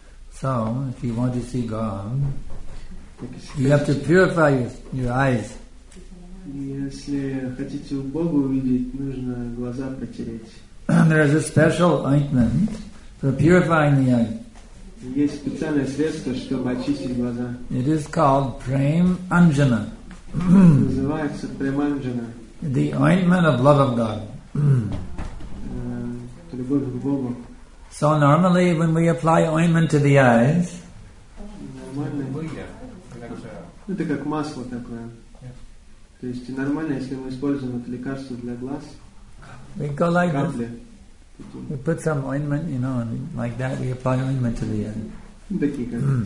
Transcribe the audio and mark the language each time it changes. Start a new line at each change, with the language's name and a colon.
English: So, if you want to see God, you have to purify your eyes.
Russian: Если хотите у Бога увидеть, нужно глаза протереть.
English: There is a special ointment for purifying the eye.
Russian: Есть специальное средство, чтобы очистить глаза.
English: It is called Prem Anjana.
Russian: Называется Prem Anjana.
English: The ointment of love of God.
Russian: Любовь к Богу.
English: So normally when we apply ointment to the eyes,
Russian: это как масло такое. То есть нормально, если мы используем это лекарство для глаз.
English: We go like this. We put some ointment, you know, and like that we apply ointment to the eye.